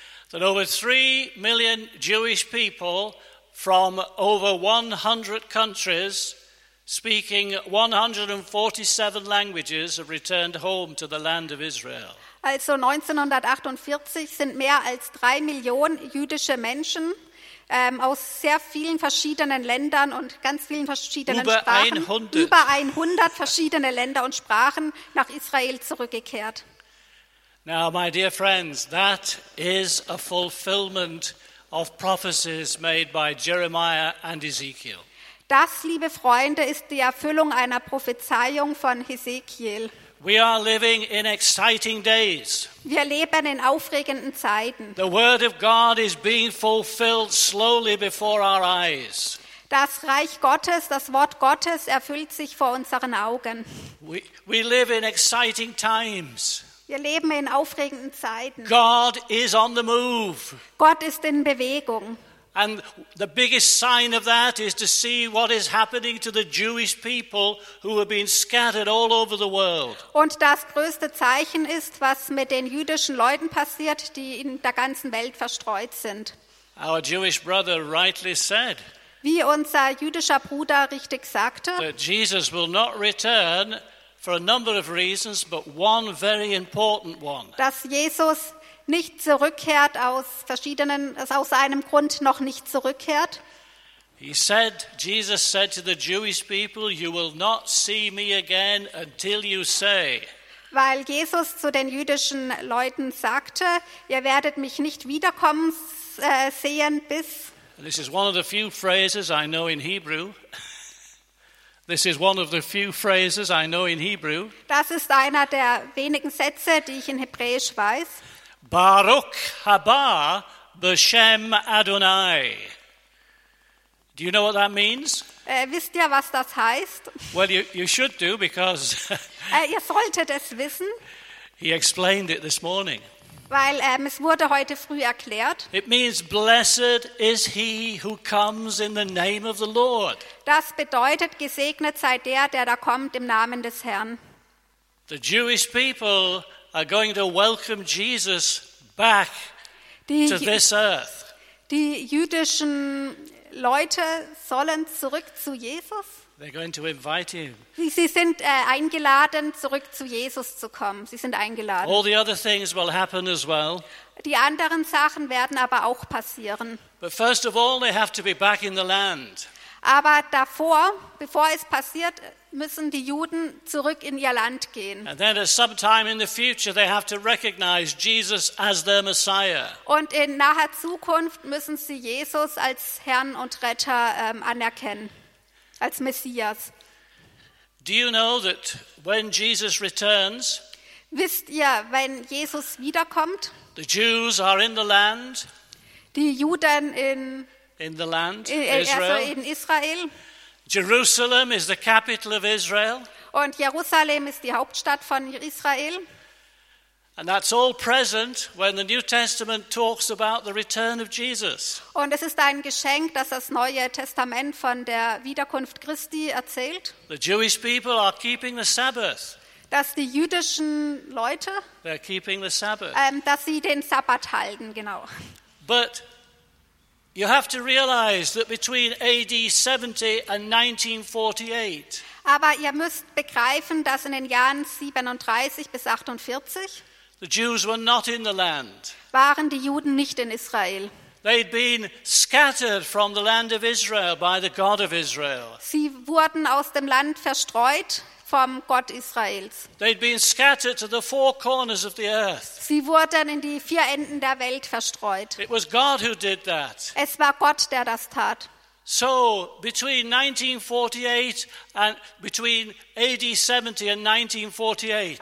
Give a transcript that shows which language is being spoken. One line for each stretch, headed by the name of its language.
English: That over 3 million Jewish people from over 100 countries, speaking 147 languages, have returned home to the land of Israel.
German: Also 1948 sind mehr als 3 Millionen jüdische Menschen aus sehr vielen verschiedenen Ländern und ganz vielen verschiedenen über 100 verschiedene Länder und Sprachen nach Israel zurückgekehrt.
English: Now, my dear friends, that is a fulfillment of prophecies made by Jeremiah and Ezekiel.
German: Das, liebe Freunde, ist die Erfüllung einer Prophezeiung von Ezekiel.
English: We are living in exciting days.
German: Wir leben in aufregenden Zeiten.
English: The word of God is being fulfilled slowly before our eyes.
German: Das Reich Gottes, das Wort Gottes, erfüllt sich vor unseren Augen.
English: We live in exciting times.
German: Wir leben in aufregenden Zeiten.
English: God is on the move.
German: Gott ist in Bewegung.
English: And the biggest sign of that is to see what is happening to the Jewish people who have been scattered all over the world.
German: Und das größte Zeichen ist, was mit den jüdischen Leuten passiert, die in der ganzen Welt verstreut sind.
English: Our Jewish brother rightly said.
German: Wie unser jüdischer Bruder richtig sagte.
English: That Jesus will not return. For a number of reasons, but one very important one.
German: Dass Jesus nicht zurückkehrt aus einem Grund noch nicht zurückkehrt.
English: Jesus said to the Jewish people, "You will not see me again until you say."
German: Weil Jesus zu den jüdischen Leuten sagte, ihr werdet mich nicht wiederkommen sehen bis.
English: This is one of the few phrases I know in Hebrew. This is one of the few phrases I know in Hebrew.
German: Das ist einer der wenigen Sätze, die ich in Hebräisch weiß.
Hebrew: Baruch haba b'shem Adonai.
English: Do you know what that means?
German: Wisst ihr, was das heißt?
English: Well, you should do because.
German: Ihr solltet es wissen.
English: He explained it this morning.
German: Weil es wurde heute früh erklärt.
English: It means blessed is he who comes in the name of the Lord.
German: Das bedeutet, gesegnet sei der da kommt im Namen des Herrn.
English: The Jewish people are going to welcome Jesus back to this earth.
German: Die jüdischen Leute sollen zurück zu Jesus.
English: They're going to invite him.
German: Sie sind eingeladen, zurück zu Jesus zu kommen. Sie sind eingeladen.
English: All the other things will happen as well.
German: Die anderen Sachen werden aber auch passieren.
English: But first of all, they have to be back in the land.
German: Aber davor, bevor es passiert, müssen die Juden zurück in ihr Land gehen.
English: And then at some time in the future, they have to recognize Jesus as their Messiah.
German: Und in naher Zukunft müssen sie Jesus als Herrn und Retter anerkennen. Als Messias.
English: Do you know that when Jesus returns,
German: wisst ihr, wenn Jesus wiederkommt,
English: the Jews are in the land,
German: die Juden
English: in the land,
German: Israel, also in Israel,
English: Jerusalem is the capital of Israel,
German: und Jerusalem ist die Hauptstadt von Israel.
English: And that's all present when the New Testament talks about the return of Jesus.
German: Und es ist ein Geschenk, dass das Neue Testament von der Wiederkunft Christi erzählt.
English: The Jewish people are keeping the Sabbath.
German: Dass die jüdischen Leute,
English: they're keeping the Sabbath.
German: Dass sie den Sabbat halten, genau.
English: But You have to realize that between AD 70 and 1948.
German: Aber ihr müsst begreifen, dass in den Jahren 37 bis 48
English: the Jews were not in the land.
German: Waren die Juden nicht in Israel.
English: They'd been scattered from the land of Israel by the God of Israel.
German: Sie wurden aus dem Land verstreut vom Gott Israels.
English: They'd been scattered to the four corners of the earth.
German: Sie wurden in die vier Enden der Welt verstreut.
English: It was God who did that.
German: Es war Gott, der das tat.
English: So between 1948 and between AD 70 and 1948.